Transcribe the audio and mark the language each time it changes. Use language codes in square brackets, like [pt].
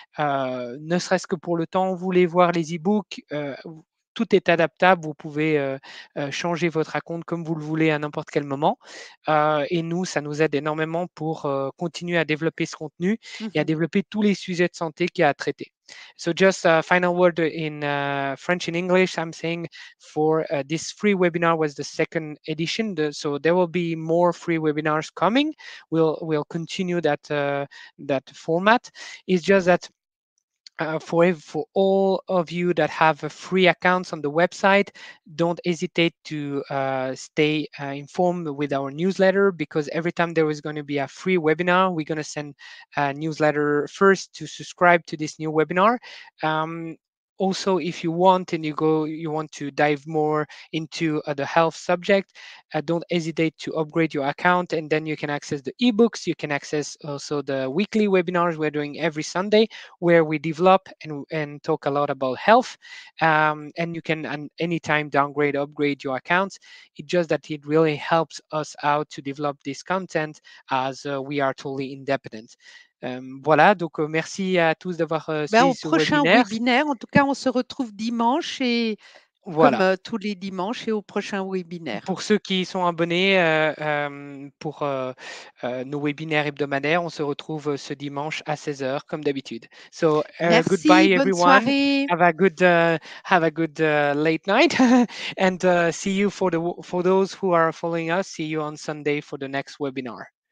[fr] Ne serait-ce que pour le temps, vous voulez voir les e-books. Tout est adaptable, vous pouvez changer votre compte comme vous le voulez à n'importe quel moment. Et nous, ça nous aide énormément pour continuer à développer ce contenu et à développer tous les sujets de santé qu'il y a à traiter. [en] So just a final word in French and English, I'm saying for this free webinar was the second edition. So there will be more free webinars coming. We'll continue that format. It's just that for all of you that have free accounts on the website, don't hesitate to stay informed with our newsletter, because every time there is going to be a free webinar, we're going to send a newsletter first to subscribe to this new webinar. Also, if you want and you want to dive more into the health subject, don't hesitate to upgrade your account, and then you can access the ebooks. You can access also the weekly webinars we're doing every Sunday, where we develop and talk a lot about health. And you can anytime downgrade, upgrade your accounts. It just that it really helps us out to develop this content as we are totally independent. [fr] Voilà, donc merci à tous d'avoir suivi ben, au ce prochain webinaire. Webinaire. En tout cas, on se retrouve dimanche et voilà. Comme tous les dimanches et au prochain webinaire. Pour ceux qui sont abonnés pour nos webinaires hebdomadaires, on se retrouve ce dimanche à 16h comme d'habitude. [en] So, [fr] merci, [en] goodbye [fr] bonne [en] everyone. [fr] Soirée. [en] Have a good late night and see you for those who are following us. See you on Sunday for the next webinar.